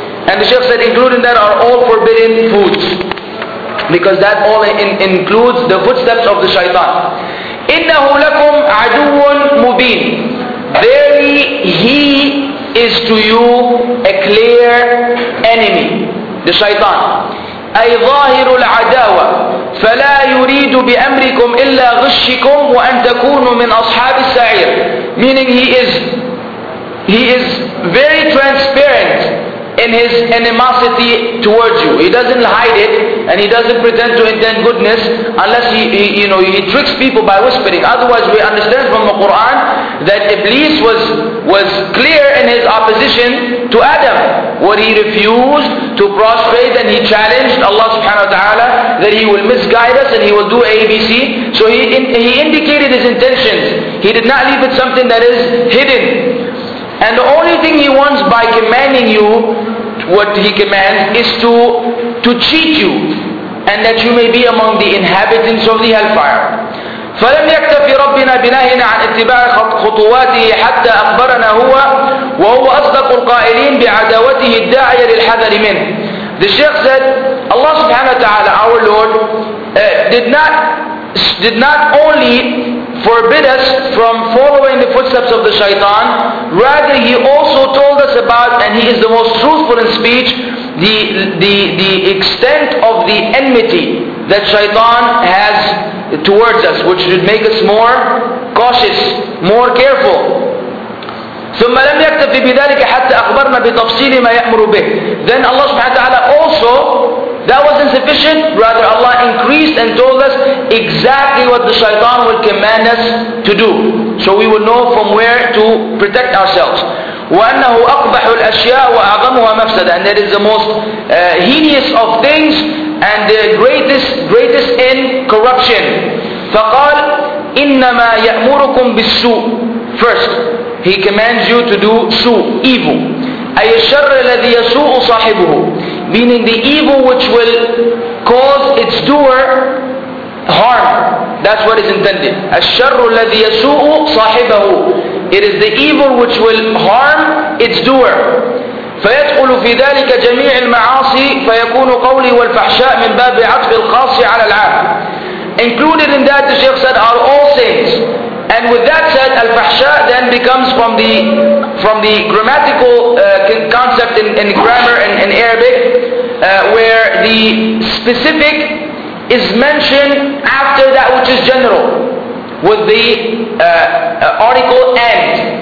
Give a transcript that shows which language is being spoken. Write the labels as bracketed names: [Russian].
[English] And the Shaykh said, including that are all forbidden foods, because that all includes the footsteps of the shaitan. [Arabic] إِنَّهُ لَكُمْ عَدُوٌ مُبِينٌ. [English] Verily, he is to you a clear enemy, the shaitan. [Arabic] أي ظاهر العداوة فلا يريد بأمركم إلا غشكم وأن تكونوا من أصحاب السعير. [English] Meaning he is very transparent in his animosity towards you. He doesn't hide it, and he doesn't pretend to intend goodness unless he tricks people by whispering. Otherwise, we understand from the Quran that Iblis was clear in his opposition to Adam, where he refused to prostrate and he challenged Allah subhanahu wa ta'ala that he will misguide us and he will do ABC. So he indicated his intentions. He did not leave it something that is hidden. And the only thing he wants by commanding you, what he commands, is to cheat you, and that you may be among the inhabitants of the hellfire. [Arabic] فَلَمْ يَكْتَفِ رَبِّنَا بِنَهْيِنَا عَنْ اتِّبَاعِ خُطُوَاتِهِ حَتَّى أَخْبَرَنَا هُوَ وَهُوَ أَصْدَقُ الْقَائِلِينَ بِعَدَاوَتِهِ الدَّاعِيَ لِلْحَذَرِ مِنْهِ. [English] The Shaykh said, Allah subhanahu wa ta'ala, our Lord, did not only forbid us from following the footsteps of the shaitan, rather He also told us about, and He is the most truthful in speech, the extent of the enmity that shaitan has towards us, which should make us more cautious, more careful. [Arabic] ثم لم يكتفي بذلك حتى أخبرنا بتفصيل ما يأمر به. [English] Then Allah subhanahu wa ta'ala also, that wasn't sufficient, rather Allah increased and told us exactly what the shaitan will command us to do, so we will know from where to protect ourselves. [Arabic] وأنه أقبح الأشياء وأعظمها مفسدة, [English] and that is the most heinous of things and the greatest in corruption. [Arabic] فقال إنما يأمركم بالسوء. [English] First He commands you to do su, evil. [Arabic] أي الشر الذي يسوء صاحبه, [English] meaning the evil which will cause its doer harm. That's what is intended. [Arabic] الشر الذي يسوء صاحبه, [English] it is the evil which will harm its doer. [Arabic] فيدخل في ذلك جميع المعاصي فيكون قولي والفحشاء من باب عطف الخاص على العام. [English] Included in that, the Shaykh said, are all sins. And with that said, al-fahsha then becomes from the grammatical concept in grammar and in Arabic, where the specific is mentioned after that which is general, with the article and.